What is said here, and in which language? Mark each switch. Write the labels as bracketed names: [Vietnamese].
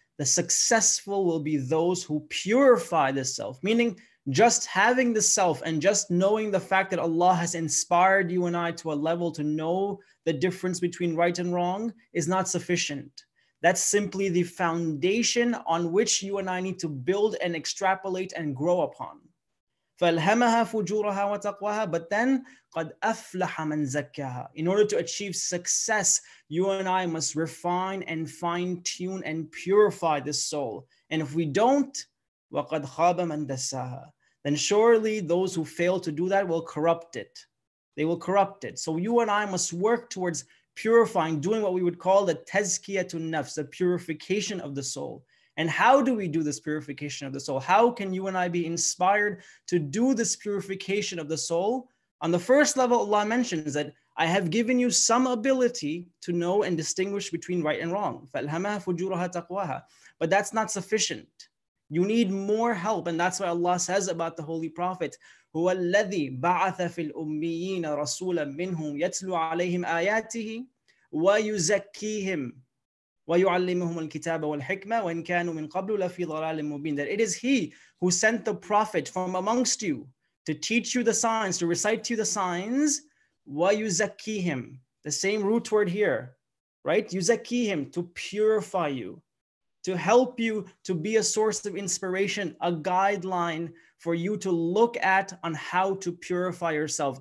[English] The successful will be those who purify the self, meaning just having the self and just knowing the fact that Allah has inspired you and I to a level to know the difference between right and wrong is not sufficient. That's simply the foundation on which you and I need to build and extrapolate and grow upon. [Arabic] فَأَلْهَمَهَا فُجُورَهَا وَتَقْوَاهَا. [English] But then, [Arabic] قَدْ أَفْلَحَ مَنْ زَكَّاهَا. [English] In order to achieve success, you and I must refine and fine-tune and purify this soul. And if we don't, [Arabic] وَقَدْ خَابَ مَنْ دَسَّاهَا, [English] then surely those who fail to do that will corrupt it. They will corrupt it. So you and I must work towards purifying, doing what we would call the tazkiyatun nafs, the purification of the soul. And how do we do this purification of the soul? How can you and I be inspired to do this purification of the soul? On the first level, Allah mentions that I have given you some ability to know and distinguish between right and wrong. [Arabic] فَأَلْهَمَهَا فُجُورَهَا تَقْوَاهَا. [English] But that's not sufficient. You need more help. And that's why Allah says about the Holy Prophet, [Arabic] هُوَ الَّذِي بَعَثَ فِي الْأُمِّيِّينَ رَسُولًا مِّنْهُمْ يَتْلُوا عَلَيْهِمْ آيَاتِهِ وَيُزَكِّيهِمْ وَيُعَلِّمُهُمُ الْكِتَابَ وَالْحِكْمَةَ وَإِنْ كَانُوا مِنْ قَبْلُ لَفِي ضَلَالٍ مُبِينٍ. [English] That it is he who sent the prophet from amongst you to teach you the signs, to recite to you the signs, وَيُزَكِّيهِمْ. The same root word here, right? يُزَكِّيهِمْ, to purify you, to help you to be a source of inspiration, a guideline for you to look at on how to purify yourself.